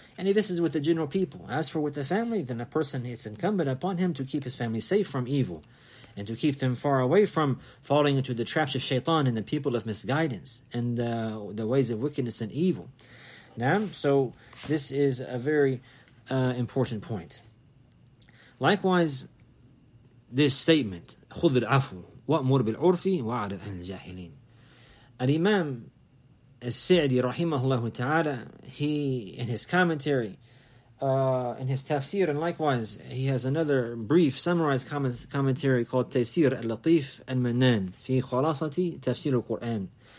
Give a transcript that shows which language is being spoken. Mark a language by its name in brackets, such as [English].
[English] And if this is with the general people. As for with the family, then a person, it's incumbent upon him to keep his family safe from evil and to keep them far away from falling into the traps of shaitan and the people of misguidance and the ways of wickedness and evil. Now, so this is a very important point. Likewise, this statement, [Arabic] خُذْ الْعَفُوْ وَأْمُرْ بِالْعُرْفِ وَعَرِضْ عَنِ الْجَاهِلِينَ. [English] Al-Imam al-Sa'di rahimahullahu ta'ala, he, in his commentary, in his tafsir, and likewise, he has another brief summarized commentary called Taysir al-Latif al-Mannan fi khalasati tafsir al-Qur'an.